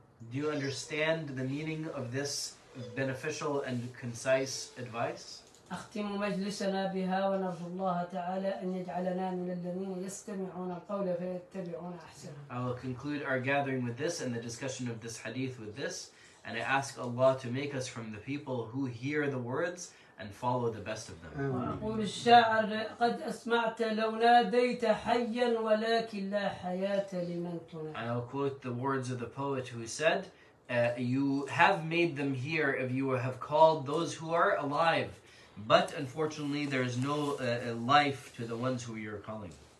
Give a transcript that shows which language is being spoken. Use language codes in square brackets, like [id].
[en] Do you understand the meaning of this beneficial and concise advice? [ar] أختم مجلسنا بها ونرجو الله تعالى أن يجعلنا من الذين يستمعون القول فيتبعون أحسنه. [en] I will conclude our gathering with this and the discussion of this hadith with this, and I ask Allah to make us from the people who hear the words and follow the best of them. [ar] أقول الشاعر قد أسمعت لو ناديت حيا ولكن لا حياة لمن تنا. [en] I will quote the words of the poet who said, "You have made them here if you have called those who are alive." But unfortunately, there is no life to the ones who you are calling.